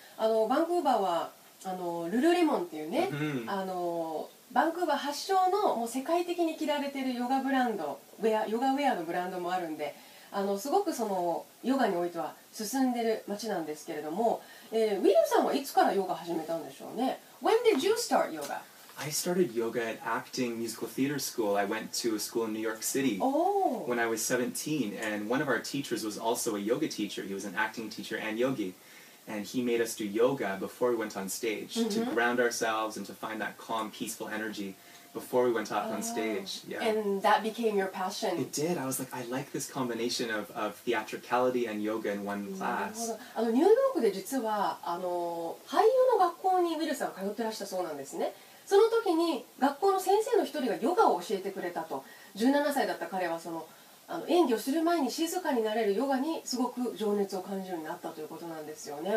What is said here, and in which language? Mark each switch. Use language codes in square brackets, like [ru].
[ja] バンクーバーはルルレモンっていうね、バンクーバー発祥のもう世界的に着られてるヨガブランド、ヨガウェアのブランドもあるんで、すごくそのヨガにおいては進んでる街なんですけれども、ウィルさんはいつからヨガ始めたんでしょうね。 [en] When did you start yoga? I started yoga at acting musical theater school. I went to a school in New York City when I was 17, and one of our teachers was also a yoga teacher. He was an acting teacher and yogi, and he made us do yoga before we went on stage to ground ourselves and to find that calm, peaceful energy before we went off on stage. Yeah. And that became your passion. It did. I was like, I like this combination of theatricality and yoga in one class. [ja] ニューヨークで実は俳優の学校にウィルさんが通ってらしたそうなんですね。その時に学校の先生の一人がヨガを教えてくれたと。 17歳だった彼はその演技をする前に静かになれるヨガにすごく情熱を感じるようになったということなんですよね。